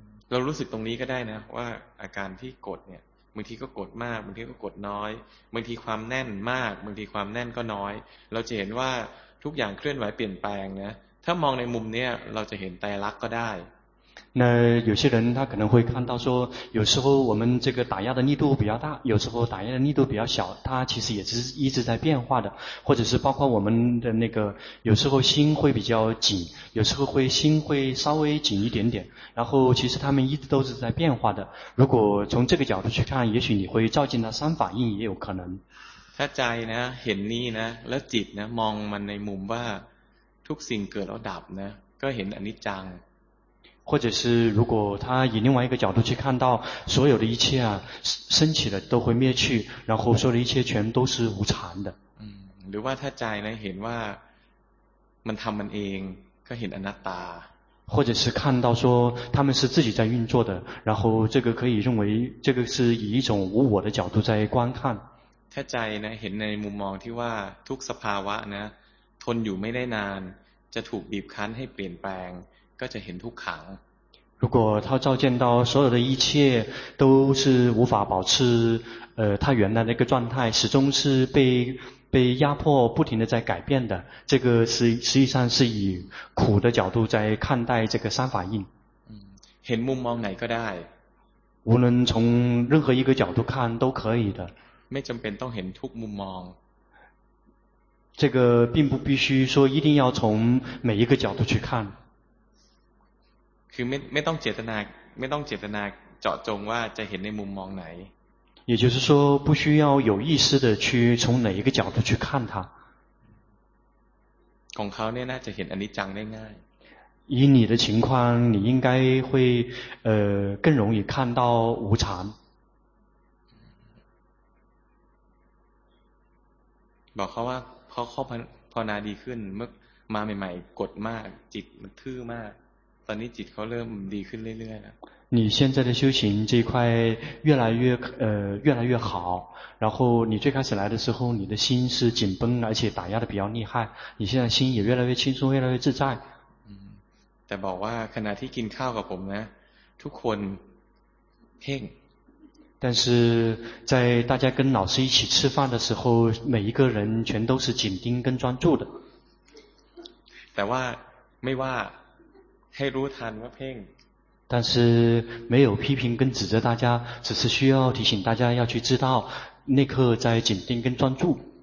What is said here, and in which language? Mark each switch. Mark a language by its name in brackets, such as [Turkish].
[Thai] เรารู้สึกตรงนี้ก็ได้นะว่าอาการที่กดเนี่ยบางทีก็กดมากบางทีก็กดน้อยบางทีความแน่นมากบางทีความแน่นก็น้อยเราจะเห็นว่าทุกอย่างเคลื่อนไหวเปลี่ยนแปลงนะถ้ามองในมุมนี้เราจะเห็นไตรลักษณ์ก็ได้ [Chinese] 那有些人他可能会看到说有时候我们这个打压的力度比较大有时候打压的力度比较小它其实也是一直在变化的或者是包括我们的那个有时候心会比较紧有时候会心会稍微紧一点点然后其实他们一直都是在变化的如果从这个角度去看也许你会照进了三法印也有可能 [Thai] ถ้าใจนะเห็นนี่นะแล้วจิตนะมองมันในมุมว่าทุกสิ่งเกิดแล้วดับนะก็เห็นอนิจจัง [Chinese] 或者是如果他以另外一个角度去看到所有的一切啊升起了都会灭去然后说的一切全都是无常的 [Thai] หรือว่าถ้าใจนะเห็นว่ามันทำมันเองก็เห็นอนัตตา [Chinese] 或者是看到说他们是自己在运作的然后这个可以认为这个是以一种无我的角度在观看 [Thai] ถ้าใจนะเห็นในมุมมองที่ว่าทุกสภาวะนะทนอยู่ไม่ได้นานจะถูกบีบคั้นให้เปลี่ยนแปลงก็จะเห็นทุกขัง [Chinese] 如果他照见到所有的一切都是无法保持他原来的那个状态始终是被压迫不停的在改变的这个是实际上是以苦的角度在看待这个三法印 [Thai] เห็นมุมมองไหนก็ได้ [Chinese] 无论从任何一个角度看都可以的 [Thai] ไม่จำเป็นต้องเห็นทุกมุมมอง [Chinese] 这个并不必须说一定要从每一个角度去看 [Thai] คือไม่ต้องเจตนาเจาะจงว่าจะเห็นในมุมมองไหน [Chinese] 也就是说不需要有意识的去从哪一个角度去看它 [Thai] ของเขาเนี่ยน่าจะเห็นอนิจจังได้ง่าย [Chinese] 以你的情况你应该会更容易看到无常 [Thai] บอกเขาว่าพอนาดีขึ้นเมื่อมาใหม่ๆกดมากจิตมันทื่อมากตอนนี้จิตเขาเริ่มดีขึ้นเรื่อยๆนะ [Chinese] 你现在的修行这一块越来越好然后你最开始来的时候你的心是紧绷而且打压的比较厉害你现在心也越来越轻松越来越自在 [Thai] แต่บอกว่าขณะที่กินข้าวกับผมนะทุกคนเพ่ง [Chinese] 但是在大家跟老师一起吃饭的时候每一个人全都是紧盯跟专注的 [Thai] แต่ว่าไม่ว่าให้รู้ทันว่าเพ่ง [Chinese] 但是没有批评跟指责大家只是需要提醒大家要去知道那刻在紧盯跟专注